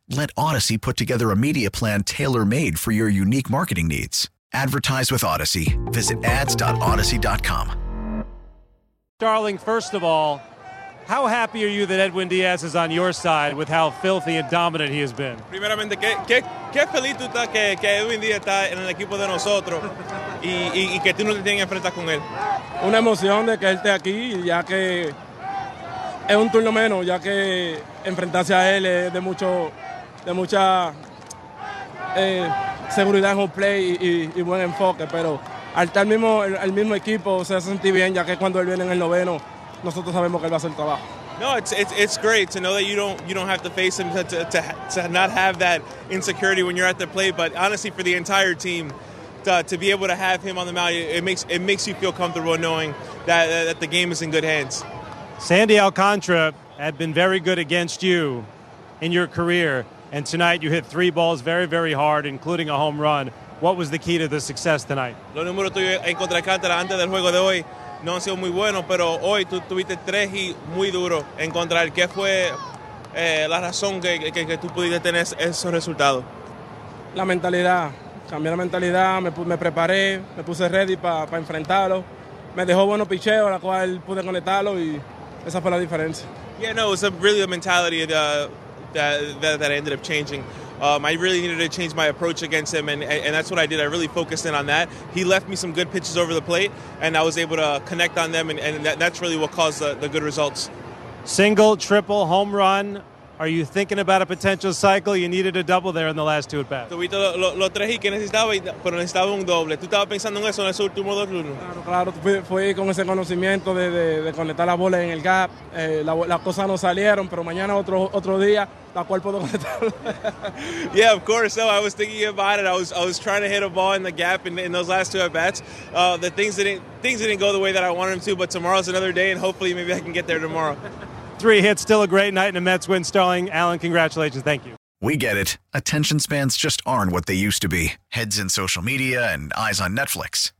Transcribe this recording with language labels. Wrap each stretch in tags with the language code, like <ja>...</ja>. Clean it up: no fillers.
<en>Let Odyssey put together a media plan tailor-made for your unique marketing needs. Advertise with Odyssey. Visit ads.odyssey.com. Darling, first of all, how happy are you that Edwin Diaz is on your side with how filthy and dominant he has been?</en> <es>Primeramente, qué feliz tú estás que Edwin Diaz está en el equipo de nosotros y que tú no te tienes enfrentas con él. Una emoción de que él esté aquí, ya que es un turno menos, ya que enfrentarse a él es de mucha seguridad en un play y buen enfoque, pero al estar el mismo equipo, se hace sentir bien, ya que cuando él viene en el noveno, nosotros sabemos que él va a hacer el trabajo.</es> <en>No, it's great to know that you don't have to face him, to not have that insecurity when you're at the plate. But honestly, for the entire team, to be able to have him on the mound, it makes you feel comfortable knowing that the game is in good hands. Sandy Alcantara had been very good against you in your career, and tonight you hit three balls very, very hard, including a home run. What was the key to the success tonight?</en> <es>Los números tuyos en contra Alcántara antes del juego de hoy no han sido muy buenos, pero hoy tú tuviste tres y muy duro en contra él. ¿Qué fue la razón que tú pudiste tener esos resultados? La mentalidad. Cambié la mentalidad, me preparé, me puse ready para enfrentarlo. Me dejó buenos picheos, la cual pude conectarlo y esa fue la diferencia.</es> <en>Yeah, no, it's really the mentality that ended up changing. I really needed to change my approach against him, and that's what I did. I really focused in on that. He left me some good pitches over the plate, and I was able to connect on them, and that's really what caused the good results. Single, triple, home run. Are you thinking about a potential cycle? You needed a double there in the last two at-bats.</en> <es>Tuviste lo traje que necesitaba, pero necesitaba un doble. ¿Tú estabas pensando en eso en ese último dos turnos? Claro, fue con ese conocimiento de conectar la bola en el gap. Las cosas no salieron, pero mañana otro día, la cual puedo conectar.</es> <en>Yeah, of course. So I was thinking about it. I was trying to hit a ball in the gap in those last two at-bats. The things didn't go the way that I wanted them to, but tomorrow's another day, and hopefully maybe I can get there tomorrow. Three hits, still a great night, and a Mets win. Starling, Alan, congratulations. Thank you. We get it. Attention spans just aren't what they used to be. Heads in social media and eyes on Netflix.</en>